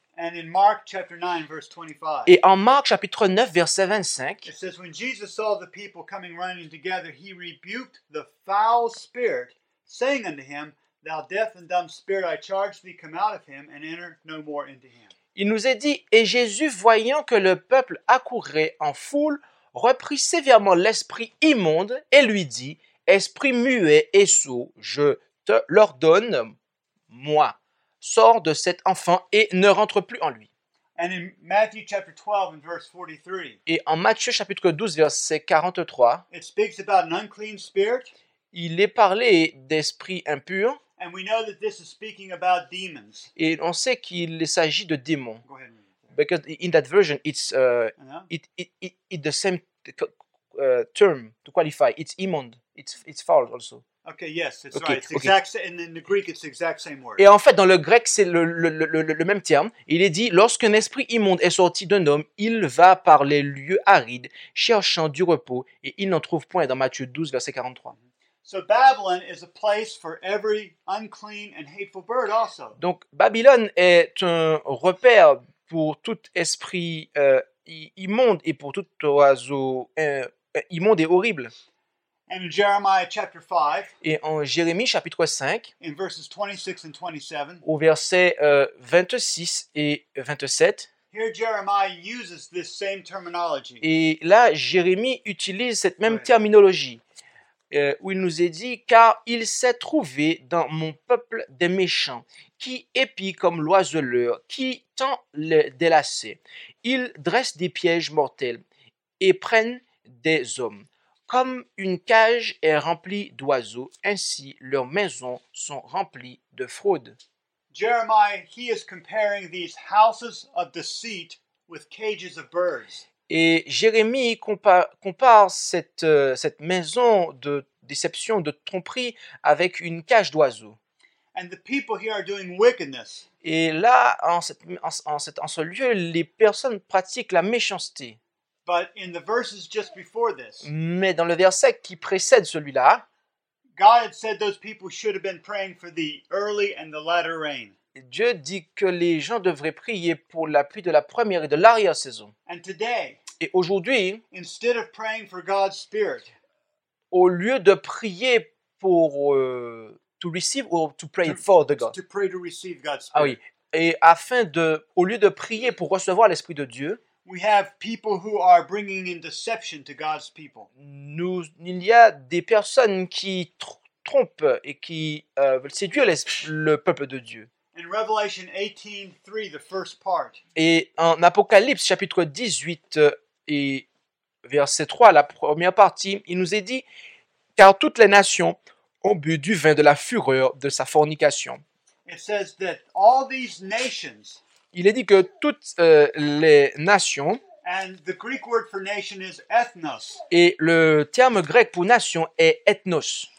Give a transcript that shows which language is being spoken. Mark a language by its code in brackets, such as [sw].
[en] And in Mark chapter 9, verse 25, [fr] et en Marc chapitre 9, verset 25, [en] it says, when Jesus saw the people coming running together, he rebuked the foul spirit, saying unto him, thou deaf and dumb spirit, I charge thee, come out of him, and enter no more into him. [fr] Il nous est dit, et Jésus, voyant que le peuple accourait en foule, reprit sévèrement l'esprit immonde et lui dit, esprit muet et sourd, je te l'ordonne, moi. Sors de cet enfant et ne rentre plus en lui. [en] And in Matthew chapter 12 and verse 43, [fr] et en Matthieu chapitre 12, verset 43, [en] it speaks about an unclean spirit, [fr] il est parlé d'esprit impur. [en] And we know that this is speaking about demons. [fr] Et on sait qu'il s'agit de démons. [en] Go ahead and read it. Because in that version, it's it the same term to qualify. It's immonde. It's foul also. Okay, yes, it's okay, right. It's okay. Exact, and in the Greek, it's the exact same word. [fr] Et en fait, dans le grec, c'est le même terme. Il est dit, lorsqu'un esprit immonde est sorti d'un homme, il va par les lieux arides, cherchant du repos, et il n'en trouve point, dans Matthieu 12, verset 43. [en] So Babylon is a place for every unclean and hateful bird also. [fr] Donc, Babylone est un repère pour tout esprit immonde et pour tout oiseau immonde et horrible. [en] And in Jeremiah chapter 5, [fr] et en Jérémie chapitre 5, [en] in verses 26 and 27, [fr] au verset 26 et 27, [en] here Jeremiah uses this same terminology. [fr] Et là, Jérémie utilise cette même terminologie, où il nous est dit, « Car il s'est trouvé dans mon peuple des méchants, qui épient comme l'oiseleur, qui tend des lacets. Ils dressent des pièges mortels et prennent des hommes. » Comme une cage est remplie d'oiseaux, ainsi leurs maisons sont remplies de fraude. [en] Jeremiah, he is comparing these houses of deceit with cages of birds. [fr] Et Jérémie compare cette maison de déception, de tromperie, avec une cage d'oiseaux. [en] And the people here are doing wickedness. [fr] Et là, en ce lieu, les personnes pratiquent la méchanceté. [en] But in the verses just before this, [fr] mais dans le verset qui précède celui-là, [en] God had said those people should have been praying for the early and the latter rain. [fr] Dieu dit que les gens devraient prier pour la pluie de la première et de l'arrière saison. [en] And today, [fr] et aujourd'hui, [en] instead of praying for God's spirit, [fr] au lieu de prier pour [en] to receive or to pray for the God, to pray to receive God's spirit. [fr] Ah oui, et afin de, au lieu de prier pour recevoir l'esprit de Dieu. [en] We have people who are bringing in deception to God's people. [fr] Il y a des personnes qui trompent et qui veulent séduire le peuple de Dieu. [en] In Revelation 18:3, the first part. [fr] Et en Apocalypse chapitre 18 et verset 3, la première partie, il nous est dit, car toutes les nations ont bu du vin de la fureur de sa fornication. [en] It says that all these nations. [fr] Il est dit que toutes les nations [en] And the Greek word for nation is ethnos. [fr] Et le terme grec pour nation est ethnos.